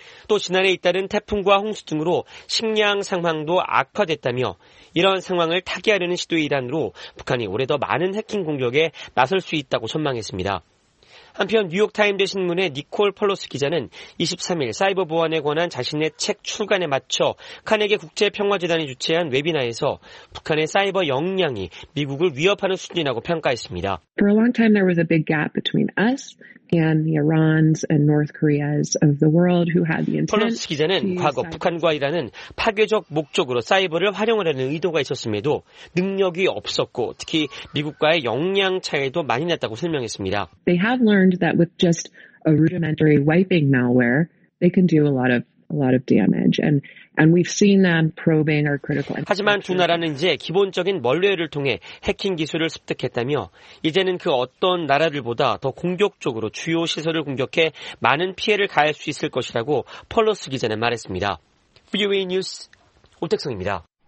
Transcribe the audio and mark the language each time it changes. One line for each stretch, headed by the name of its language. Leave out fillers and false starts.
Korean: 또 지난해 잇따른 태풍과 홍수 등으로 식량 상황도 악화됐다며 이런 상황을 타개하려는 시도의 일환으로 북한이 올해 더 많은 해킹 공격에 나설 수 있다고 전망했습니다. 한편 뉴욕타임즈 신문의 니콜 펄로스 기자는 23일 사이버 보안에 관한 자신의 책 출간에 맞춰 카네기 국제평화재단이 주최한 웨비나에서 북한의 사이버 역량이 미국을 위협하는 수준이라고 평가했습니다.
English: For a long time there was a big gap between us and the Irans and North Koreas of the world who had the intent.
Korean: 펄로스 기자는 과거 북한과 이란은 파괴적 목적으로 사이버를 활용하려는 의도가 있었음에도 능력이 없었고 특히 미국과의 역량 차이도 많이 났다고 설명했습니다.
English: They have learned that with just a rudimentary wiping malware, they can do a lot of damage. And we've seen them probing our critical.
Korean: 하지만 두 나라는 이제 기본적인 멀뢰를 통해 해킹 기술을 습득했다며 이제는 그 어떤 나라들보다 더 공격적으로 주요 시설을 공격해 많은 피해를 가할 수 있을 것이라고 펄로스 기자는 말했습니다. VOA 뉴스 오택성입니다.